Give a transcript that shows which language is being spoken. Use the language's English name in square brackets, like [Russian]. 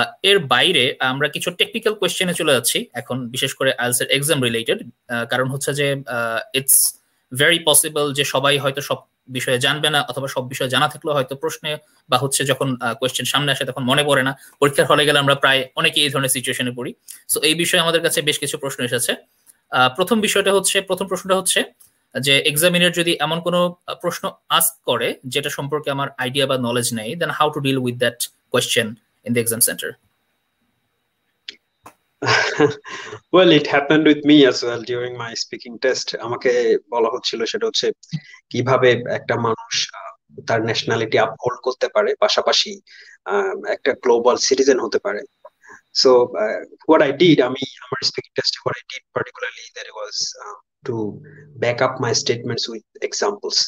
[Bangla] এর বাইরে আমরা কিছু টেকনিক্যাল কোয়েশ্চেনে চলে যাচ্ছি এখন, বিশেষ করে আইএলটিএস এর এক্সাম রিলেটেড, কারণ হচ্ছে যে [English] it's very possible [Bangla] যে সবাই হয়তো সব বিষয়ে জানবে না, অথবা সব বিষয়ে জানা থাকলেও হয়তো প্রশ্নে বা হচ্ছে যখন কোয়েশ্চেন সামনে আসে তখন মনে পড়ে না, পরীক্ষার হলে গেলে আমরা প্রায় অনেকেই এই ধরনের সিচুয়েশনে পড়ি। সো এই বিষয়ে আমাদের কাছে বেশ কিছু প্রশ্ন এসেছে। প্রথম বিষয়টা হচ্ছে, প্রথম প্রশ্নটা হচ্ছে যে এক্সামিনার যদি এমন কোনো প্রশ্ন আস্ক করে যেটা সম্পর্কে আমার আইডিয়া বা নলেজ নেই, [English] Then how to deal with that question in the exam centre? Well, it happened with me as well during my speaking test. [Bangla] আমাকে বলা হচ্ছিল সেটা হচ্ছে কিভাবে একটা মানুষ তার ন্যাশনালিটি আপহোল্ড করতে পারে, পাশাপাশি একটা গ্লোবাল সিটিজেন হতে পারে। [English] so what I did, [Bangla] আমি আমার স্পিকিং টেস্টে [English] What I did particularly that was to back up my statements with examples.